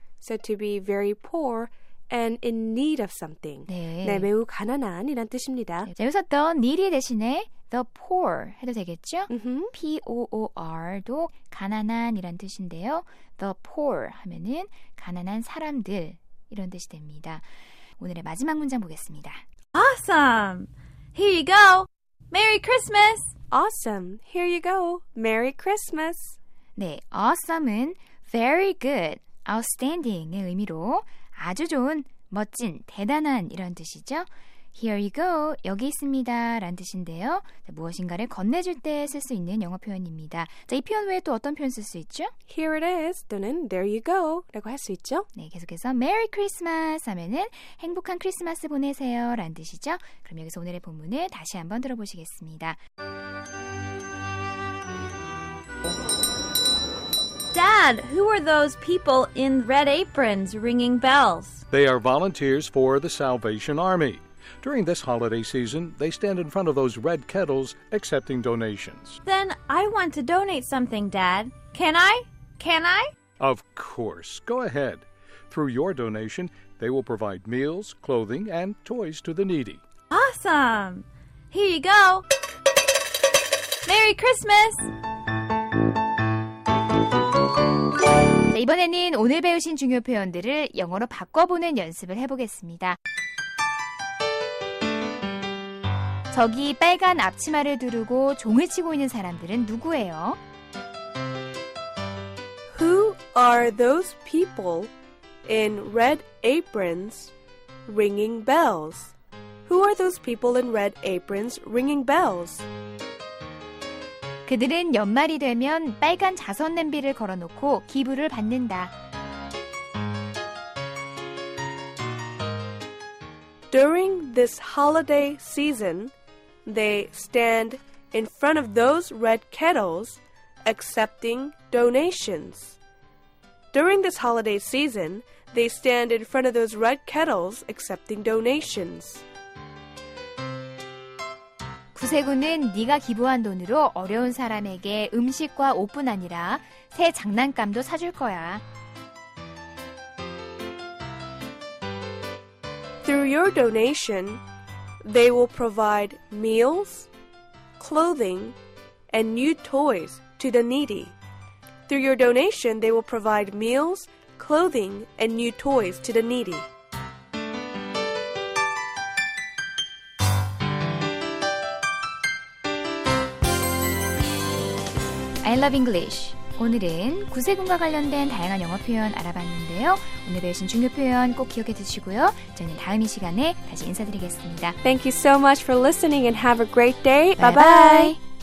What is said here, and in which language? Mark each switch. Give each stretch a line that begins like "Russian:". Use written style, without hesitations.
English: So to be very poor and in need of something.
Korean: 네. 네, 매우 가난한 이란 뜻입니다. 자, 여기서 the needy 대신에 the poor 해도 되겠죠? Mm-hmm. P-O-O-R도 가난한 이란 뜻인데요. the poor 하면은 가난한 사람들 이런 뜻이 됩니다. 오늘의 마지막 문장 보겠습니다.
English: Awesome! Here you go! Merry Christmas! Awesome! Here you go! Merry Christmas!
Korean: 네, awesome은 very good, outstanding의 의미로 아주 좋은, 멋진, 대단한 이런 뜻이죠.
English: Here you go,
Korean: 여기 있습니다 라는 뜻인데요. 자, 무엇인가를 건네줄 때 쓸 수 있는 영어 표현입니다. 자, 이 표현 외에 또 어떤 표현 쓸 수 있죠?
English: Here it is 또는 there you go
Korean: 라고 할 수 있죠. 네, 계속해서 Merry Christmas 하면은 행복한 크리스마스 보내세요 라는 뜻이죠. 그럼 여기서 오늘의 본문을 다시 한번 들어보시겠습니다.
English: Dad, who are those people in red aprons ringing bells? They are volunteers for the Salvation Army. During this holiday season, they stand in front of those red kettles accepting donations. Then I want to donate something, Dad. Can I? Can I? Of course. Go ahead. Through your donation, they will provide meals, clothing, and toys to the needy. Awesome! Here you go! Merry Christmas!
Korean: 자, 이번에는 오늘 배우신 중요 표현들을 영어로 바꿔보는 연습을 해보겠습니다. 저기 빨간 앞치마를 두르고 종을 치고 있는 사람들은 누구예요?
English: Who are those people in red aprons ringing bells? Who are those people in red aprons ringing bells?
Korean: 그들은 연말이 되면 빨간 자선 냄비를 걸어놓고 기부를 받는다.
English: During this holiday season, they stand in front of those red kettles accepting donations. During this holiday season, they stand in front of those red kettles accepting donations.
Korean: 구세군은 네가 기부한 돈으로 어려운 사람에게 음식과 옷뿐 아니라 새 장난감도 사줄 거야.
English: Through your donation, they will provide meals, clothing, and new toys to the needy. Through your donation, they will provide meals, clothing, and new toys to the needy. Love English.
Korean: 오늘은 구세군과 관련된 다양한 영어 표현 알아봤는데요. 오늘 배우신 중요 표현 꼭 기억해 두시고요. 저는 다음 이 시간에 다시 인사드리겠습니다.
English: Thank you so much for listening and have a great day. Bye-bye.